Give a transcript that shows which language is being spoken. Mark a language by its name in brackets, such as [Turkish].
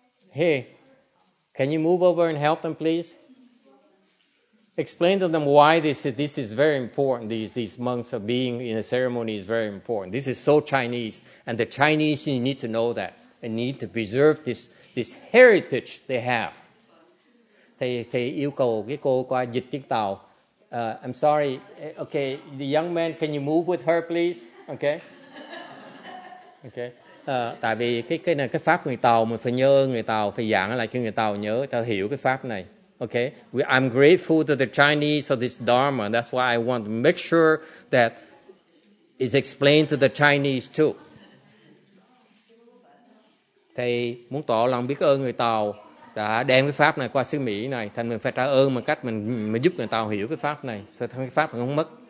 [English] hey, can you move over and help them, please? Explain to them why this is very important. These monks are being in a ceremony is very important. This is so Chinese, and the Chinese, you need to know that and need to preserve this heritage they have. [Vietnamese] Thì yêu cầu cái cô qua dịch tiếng Tàu. [English] I'm sorry. Okay, the young man, can you move with her, please? Okay. Okay. [Vietnamese] Tại vì cái này cái pháp người Tàu mình phải nhớ người Tàu phải giảng lại cho người Tàu nhớ ta hiểu cái pháp này. [English] Okay. I'm grateful to the Chinese for this Dharma. That's why I want to make sure that it's explained to the Chinese too. [Vietnamese] Thầy muốn tỏ lòng biết ơn người Tàu đã đem cái pháp này qua xứ Mỹ này, thành mình phải trả ơn bằng cách mình giúp người Tàu hiểu cái pháp này, sao thằng cái pháp này không mất.